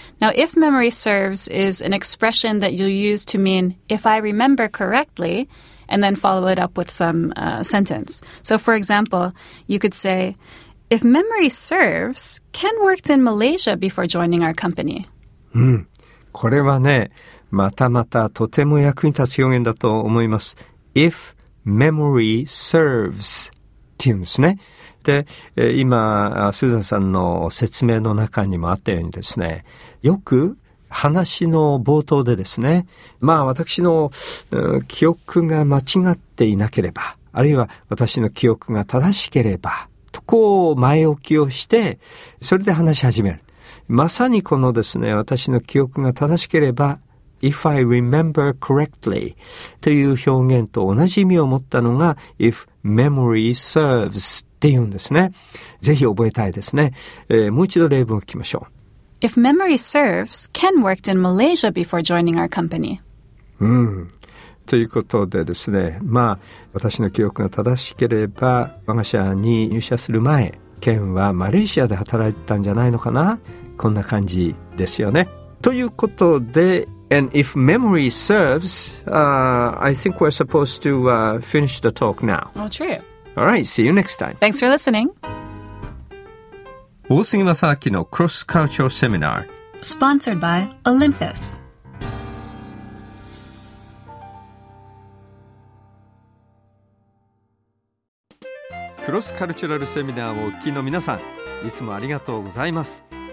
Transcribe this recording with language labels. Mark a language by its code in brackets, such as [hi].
[en] Now, if memory serves is an expression that you'll use to mean, if I remember correctly,and then follow it up with some sentence. So, for example, you could say, if memory serves, Ken worked in Malaysia before joining our company. [ja] うん、これはね、またまたとても役に立つ表現だと思います。 If memory serves っていうんですね。で、今、スーザンさんの説明の中にもあったようにですね、よく話の冒頭でですね、まあ私の、記憶が間違っていなければ、あるいは私の記憶が正しければ、とこう前置きをして、それで話し始める。まさにこのですね、私の記憶が正しければ、 If I remember correctly という表現と同じ意味を持ったのが、 If memory serves っていうんですね。ぜひ覚えたいですね。もう一度例文を聞きましょう。 [en] If memory serves, Ken worked in Malaysia before joining our company. [ja] うん。ということでですね、まあ、私の記憶が正しければ、我が社に入社する前、Ken はマレーシアで働いてたんじゃないのかな？こんな感じですよね。 [en] ということで、 And if memory serves, I think we're supposed to finish the talk now. Well, true. All right, see you next time. Thanks for listening. [ja] 大杉正明のクロスカルチャーセミナー。スポンサードバイオリンピス。クロスカルチャルセミナーをお聞きの皆さん、いつもありがとうございます。